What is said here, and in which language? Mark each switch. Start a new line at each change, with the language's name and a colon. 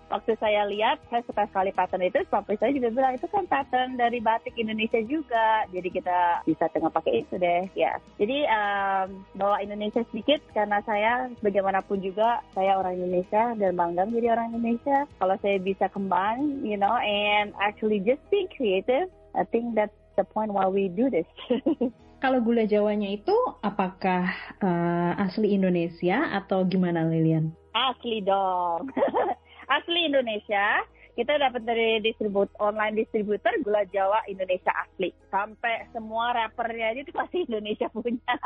Indonesian: Waktu saya lihat, saya suka sekali pattern itu, sampai saya juga bilang, itu kan pattern dari batik Indonesia juga. Jadi kita bisa tengah pakai itu deh. Jadi bawa Indonesia sedikit, karena saya bagaimanapun juga, saya orang Indonesia dan bangga jadi orang Indonesia. Kalau saya bisa kembang,
English: you know, and actually just being creative, I think that's the point why we do this.
Indonesian: Kalau gula jawanya itu, apakah asli Indonesia atau gimana, Lilian? Asli dong, asli Indonesia. Kita dapat dari online distributor gula jawa Indonesia asli. Sampai semua wrappernya itu pasti Indonesia punya.